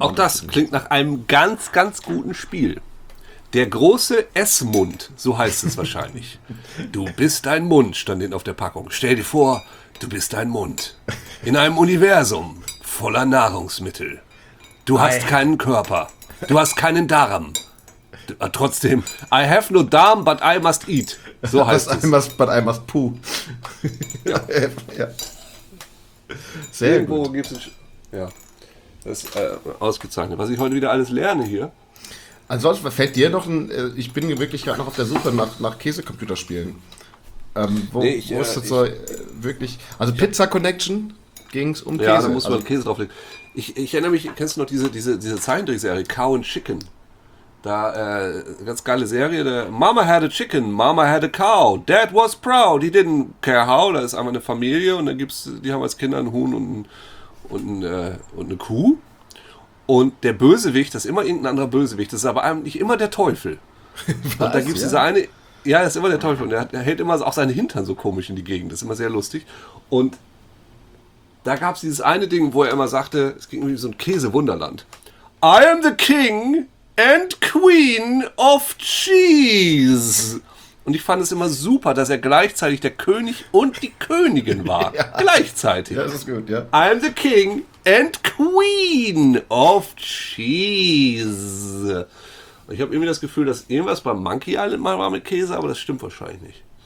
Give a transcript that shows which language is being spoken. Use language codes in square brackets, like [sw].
[de] auch das klingt nach einem ganz, ganz guten Spiel. Der große Essmund, so heißt es wahrscheinlich. Du bist ein Mund, stand hinten auf der Packung. Stell dir vor, du bist ein Mund. In einem Universum voller Nahrungsmittel. Du hast keinen Körper. Du hast keinen Darm. Trotzdem, [en] I have no darm, but I must eat. [de] So heißt es. [en] But I must poo. [de] Ja. Sehr irgendwo gut. Gibt's das ist ausgezeichnet. Was ich heute wieder alles lerne hier. Ansonsten fällt dir noch ein. Ich bin wirklich gerade noch auf der Suche nach Käsecomputerspielen. Pizza Connection ging es um Käse. Ja, da muss man Käse drauflegen. Ich erinnere mich, kennst du noch diese Zeichentrickserie Cow and Chicken? Da, ganz geile Serie. [en] Da, Mama had a chicken, Mama had a cow, Dad was proud, he didn't care how. [de] Da ist einmal eine Familie und dann gibt's, die haben als Kinder einen Huhn und eine Kuh. Und der Bösewicht, das ist immer irgendein anderer Bösewicht, das ist aber eigentlich immer der Teufel. Und da gibt es diese eine, ja, das ist immer der Teufel. Und der hält immer auch seinen Hintern so komisch in die Gegend, das ist immer sehr lustig. Und da gab es dieses eine Ding, wo er immer sagte, es ging irgendwie so ein Käse-Wunderland. [en] I am the king and queen of cheese. [de] Und ich fand es immer super, dass er gleichzeitig der König und die Königin war. Ja. Gleichzeitig. Ja, das ist gut, ja. [en] I am the king and queen of cheese. [de] Und ich habe irgendwie das Gefühl, dass irgendwas beim Monkey Island mal war mit Käse, aber das stimmt wahrscheinlich nicht.